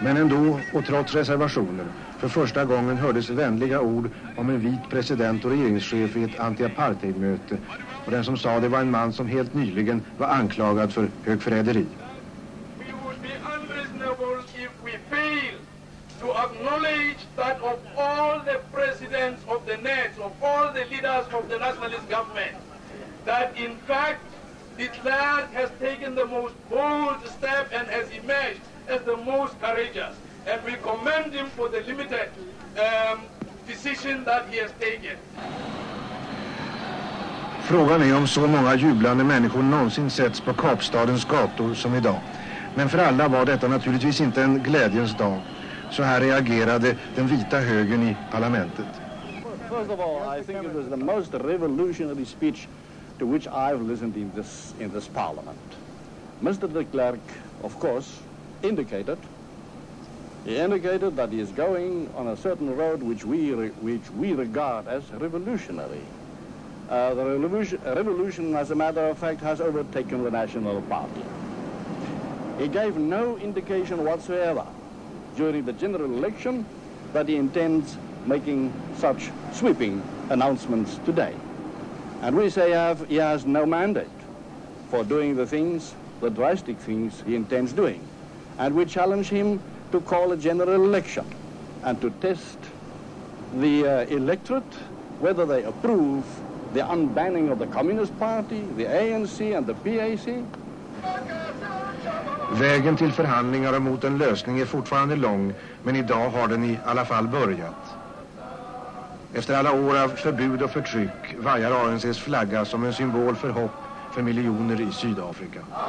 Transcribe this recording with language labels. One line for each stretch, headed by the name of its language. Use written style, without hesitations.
Swedish: Men ändå, och trots reservationer, för första gången hördes vänliga ord om en vit president och regeringschef i ett anti-apartheid-möte. Och den som sa det var en man som helt nyligen var anklagad för högförräderi.
English: We would be unreasonable if we fail to acknowledge that of all the presidents of the net, of all the leaders of the nationalist government, that in fact Hitler has taken the most bold step and has emerged as the most courageous. And we commend him for the limited decision that he has taken.
Swedish: Frågan är om så många jublande människor någonsin setts på Kapstadens gator som idag. Men för alla var detta naturligtvis inte en glädjens dag. Så här reagerade den vita högern i parlamentet.
English: First of all, I think it was the most revolutionary speech to which I've listened in this parliament. Mr. de Klerk, of course, indicated that he is going on a certain road which we regard as revolutionary. The revolution, as a matter of fact, has overtaken the National Party. He gave no indication whatsoever during the general election that he intends making such sweeping announcements today. And we say he has no mandate for doing the things, the drastic things he intends doing. And we challenge him to call a general election and to test the electorate, whether they approve the unbanning of the Communist Party, the ANC and the PAC.
Swedish: Vägen till förhandlingar mot en lösning är fortfarande lång, men idag har den i alla fall börjat. Efter alla år av förbud och förtryck vajar ANC:s flagga som en symbol för hopp för miljoner i Sydafrika.